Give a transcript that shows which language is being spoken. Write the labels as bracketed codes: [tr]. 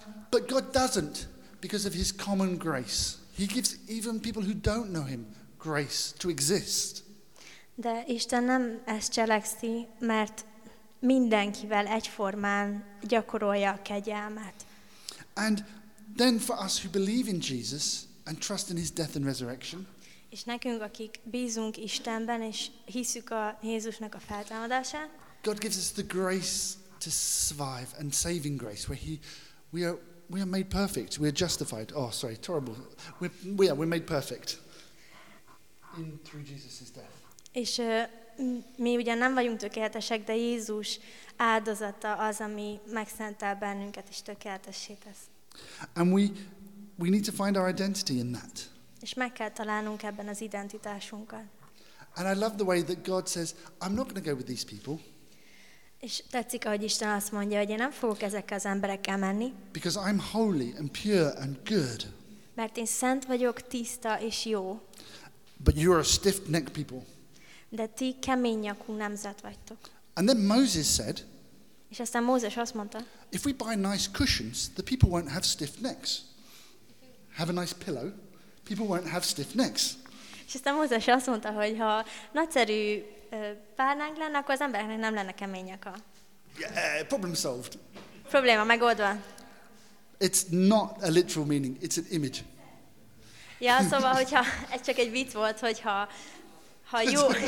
[en] But God doesn't, because of his common grace. He gives even people who don't know him grace to exist. [hu] De Isten nem ezt cselekszi, mert mindenkivel egyformán gyakorolja a kegyelmet. [en] And then for us who believe in Jesus and trust in his death and resurrection. [hu] És nekünk, akik bízunk Istenben és hiszük a Jézusnak a feltámadásán. [en] God gives us the grace to survive and saving grace where we are made perfect, we are justified. Oh, sorry, terrible. We're made perfect in through Jesus's death. [hu] És mi ugye nem vagyunk tökéletesek, de Jézus áldozata az, ami megszentel bennünket és tökéletessé tesz. [en] And we need to find our identity in that. [hu] És meg kell találnunk ebben az identitásunkat. [en] And I love the way that God says, I'm not going to go with these people. [hu] És tetszik, ahogy Isten azt mondja, hogy én nem fogok ezekkel az emberekkel menni. [en] Because I'm holy and pure and good. [hu] Mert én szent vagyok, tiszta és jó. [en] But you are a stiff-necked people. [hu] De ti kemény nyakú nemzet vagytok. [en] And then Moses said, [hu] és aztán Mózes azt mondta, [en] if we buy nice cushions, the people won't have stiff necks. Have a nice pillow, people won't have stiff necks. [hu] És aztán Mózes azt mondta, hogy ha nagyszerű párnánk lenne, akkor az embereknek nem lenne kemény nyaka. [en] Yeah, problem solved. [hu] Probléma megoldva. [en] It's not a literal meaning, it's an image. [hu] Ja, szóval, hogyha ez csak egy vicc volt, hogyha ha jó.